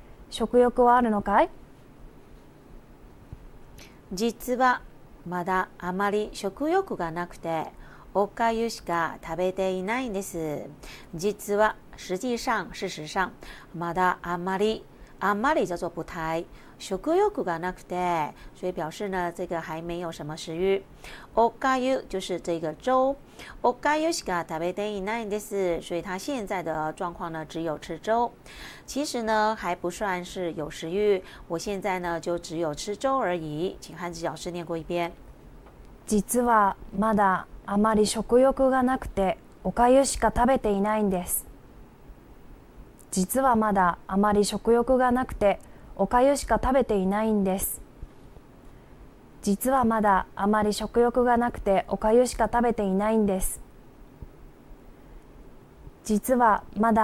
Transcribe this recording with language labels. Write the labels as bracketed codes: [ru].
[ja] 食欲はあるのかい？実はまだあまり食欲がなくて、おかゆしか食べていないんです。実は [zh] 实际上、事实上、 [ja] まだあまり、あまり [zh] 叫做不太。 [ja] 食欲がなくて， [zh] 所以表示呢，这个还没有什么食欲。おかゆ就是这个粥。 [ja] おかゆしか食べていないんです， [zh] 所以他现在的状况呢，只有吃粥。其实呢，还不算是有食欲。我现在呢，就只有吃粥而已。请韩志老师念过一遍。 [ja] 実はまだあまり食欲がなくて、おかゆしか食べていないんです。実はまだあまり食欲がなくて。おかゆしか食べていないんです。実はまだあまり食欲がなくておかゆしか食べていないんです。実はまだ